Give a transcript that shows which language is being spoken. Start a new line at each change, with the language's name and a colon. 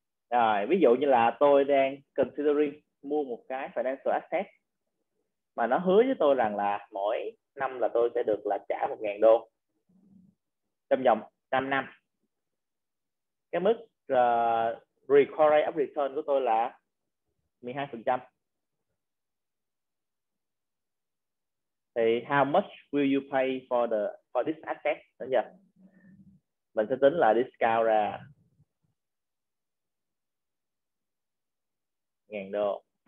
Vietnamese: Rồi, ví dụ như là tôi đang considering mua một cái financial asset mà nó hứa với tôi rằng là mỗi năm là tôi sẽ được là trả 1.000 đô trong vòng 5 năm. Cái mức required return của tôi là 12%.
English: Thì how much will you pay for this asset?
Vietnamese: Đúng chưa? Mình sẽ tính là discount ra 1.000 đô.